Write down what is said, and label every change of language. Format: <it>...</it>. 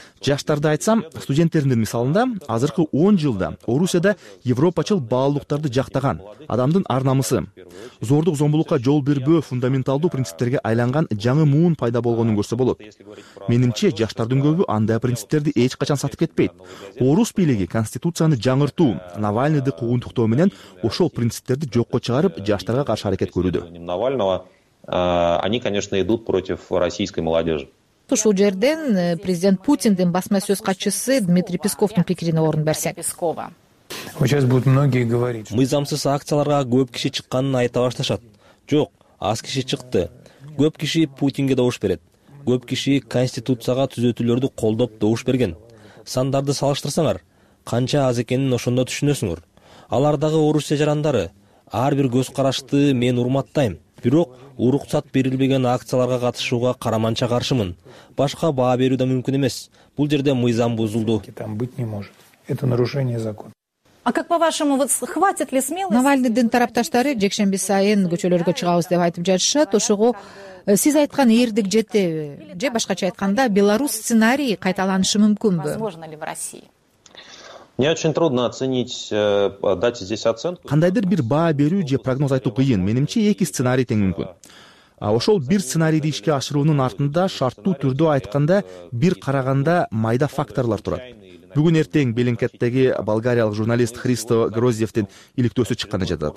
<ky>Жаштарды айтсам, студенттердин мисалында азыркы 10 жылда Орусияда европачыл баалуулуктарды жактаган адамдын ар-намысы, зордук зомбулукка жол бербөө фундаменталдуу принциптерге айланган жаңы муун пайда болгонун көрсө болот. Менимче, жаштардын көбү андай принциптерди эч качан сатып кетпейт. Орус бийлиги конституцияны жаңыртуу, Навальныйды куугунтуктоо менен ошол принциптерди жокко чыгарып, жаштарга каршы аракет көрүүдө.</ky> <ru>Навального, они, конечно, идут против российской молодежи.</ru> <ky>Ушул жерден президент Путиндин басма сөз катчысы Дмитрий Песковдун пикирине орун берсек.</ky> <ru>Сейчас будут многие говорить.</ru> <ky>Мыйзамсыз акцияларга көп киши чыкканын айта башташат. Жок, аз киши чыкты. Көп киши Путинге добуш берет. Көп киши конституцияга түзөтүүлөрдү колдоп добуш берген. Сандарды салыштырсаңар, канча аз экенин ошондо түшүнөсүңөр. Алардагы Орусия жарандары, ар бир көз карашты мен урматтайм. Бирок уруксат берилбеген акцияларга катышууга караманча каршымын. Башка баа берүү да мүмкүн эмес. Бул жерде мыйзам бузулду.</ky> <ru>Это нарушение закона. А как по-вашему, вот хватит ли смелости?</ru> <ky>Навальныйдын тарапташтары жекшемби сайын көчөлөргө чыгабыз деп айтып жатышат. Ошого сиз айткан эрдик жетеби? Же башкача айтканда, Беларусь сценарий кайталанышы мүмкүнбү?</ky> <ru>Возможно ли в России? Мне очень трудно оценить, дать здесь оценку.</ru> <ky>Кандайдыр бир баа берүү же прогноз айтуу кыйын. Менимче, эки сценарий тең мүмкүн. Ошол бир сценарийди ишке ашыруунун артында шарттуу түрдө айтканда бир караганда майда факторлор турат. Бүгүн эртең Беленкеттеги болгариялык журналист Христо Гроздевтин иликтөөсү чыкканы жатат.</ky>